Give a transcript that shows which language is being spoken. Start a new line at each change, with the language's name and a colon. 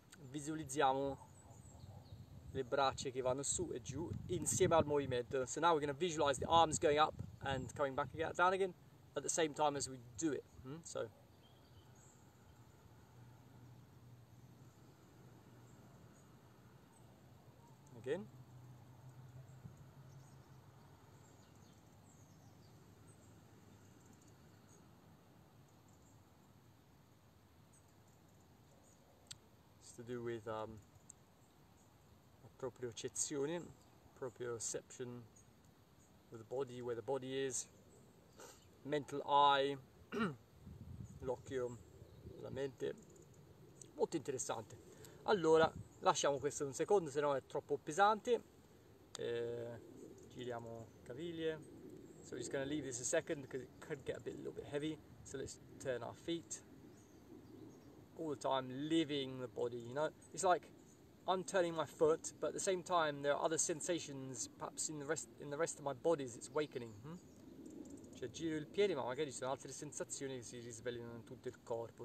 Italian: Visualizziamo le braccia che vanno su e giù insieme al movimento.
English: So now we're going to visualize the arms going up and coming back again, down again at the same time as we do it. So again. To do with propriocezione, proprioception of the body, where the body is, mental eye,
Italian: l'occhio, la mente. Molto interessante. Allora, lasciamo questo un secondo, se no è troppo pesante. Giriamo caviglie.
English: So we're just going to leave this a second because it could get a bit, a little bit heavy. So let's turn our feet. All the time living the body, you know, it's like I'm turning my foot, but at the same time there are other sensations perhaps in the rest of my body as it's awakening.
Italian: Cioè giro il piede, ma magari ci sono altre sensazioni che si risvegliano in tutto il corpo.